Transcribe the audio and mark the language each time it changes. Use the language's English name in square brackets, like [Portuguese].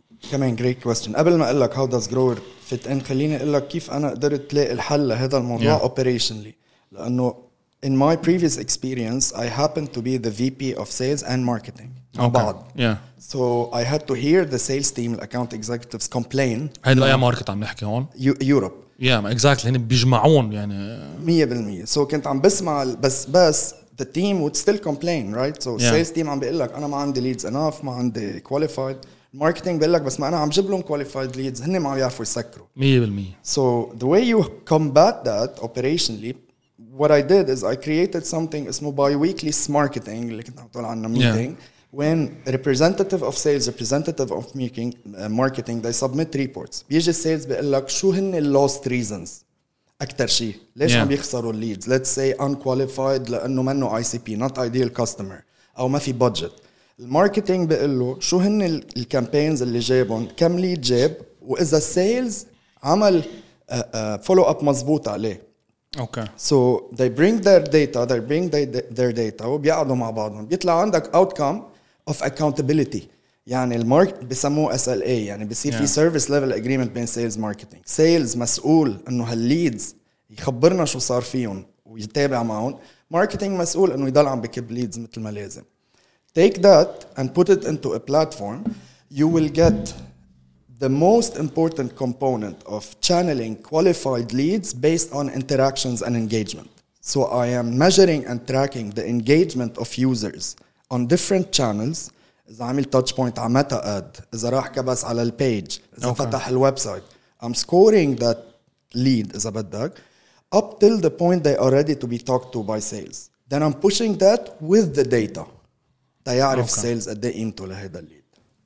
[Arabic] كمان great question قبل ما اقول لك how does grower fit in خليني اقول لك كيف انا قدرت لاقي الحل لهذا الموضوع yeah. [English] operationally لانه in my previous experience I happened to be the VP of sales and marketing okay. بعد. Yeah. So I had to hear the sales team account executives complain [Arabic] هيدا اي ماركت عم نحكي هون [English] Europe [Arabic] Yeah, exactly. هن بيجمعون يعني [English] 100% So كنت عم بسمع بس the team would still complain, right? So yeah. [Arabic] sales team عم بيقول لك أنا ما عندي leads enough, ما عندي qualified. Marketing بيقول لك بس ما أنا عم جيب لهم qualified leads. هن ما بيعرفوا يسكروا [English] 100% So the way you combat that operationally, what I did is I created something اسمه bi-weekly marketing اللي كنت عم تقول عنه meeting. Yeah. When representative of sales, representative of making marketing, they submit reports. [Arabic] بيجي sales بيقول لك شو هن lost reasons أكتر شيء. [English] ليش عم بيخسروا leads? Let's say unqualified لأنه منه ICP, not ideal customer. أو ما في budget. [Arabic] Marketing بيقول له شو هن الcampaigns اللي جابهم. كم lead جاب. وإذا sales عمل follow-up مزبوط عليه. [English] Okay. So they bring their data, they bring their data وبيقعدوا مع بعضهم. [Arabic] بيطلع عندك outcome of accountability. يعني المارك بسموه SLA. يعني بيصير في service level agreement بين sales marketing. Sales مسؤول انه هالleads يخبرنا شو صار فيهم ويتابع معهم. Marketing مسؤول انه يضل عم بكب leads مثل ما لازم. [English] Take that and put it into a platform. You will get the most important component of channeling qualified leads based on interactions and engagement. So I am measuring and tracking the engagement of users on different channels. [Arabic] إذا عمل touch point على Meta Ad, إذا راح كبس على البيج, إذا فتح الويبسايت. [English] I'm scoring that lead, إذا بدك, up till the point they are ready to be talked to by sales. Then I'm pushing that with the data. [Arabic] تيعرف sales قد قيمته لهذا lead.